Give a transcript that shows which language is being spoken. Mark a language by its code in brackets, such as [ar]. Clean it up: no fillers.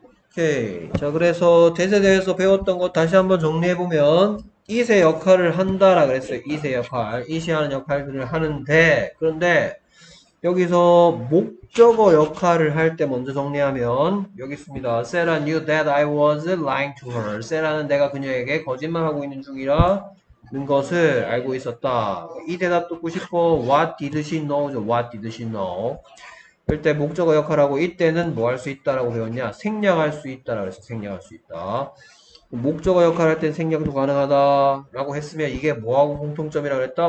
[ko] 오케이. 자, 그래서 뎃에 대해서 배웠던 거 다시 한번 정리해 보면, 잇의 역할을 한다라 그랬어요. 잇의 역할, 잇이 하는 역할들을 하는데, 그런데 여기서 목적어 역할을 할때 먼저 정리하면 여기 있습니다. [en] Sarah knew that I was lying to her. [ko] Sarah는 내가 그녀에게 거짓말하고 있는 중이라는 것을 알고 있었다. 이 대답 듣고 싶어. [en] What did she know죠? What did she know? [ko] 이때 목적어 역할하고 이때는 뭐할수 있다라고 배웠냐? 생략할 수 있다라고 해서 생략할 수 있다. 목적어 역할할 땐 생략도 가능하다라고 했으면 이게 뭐하고 공통점이라고 했다?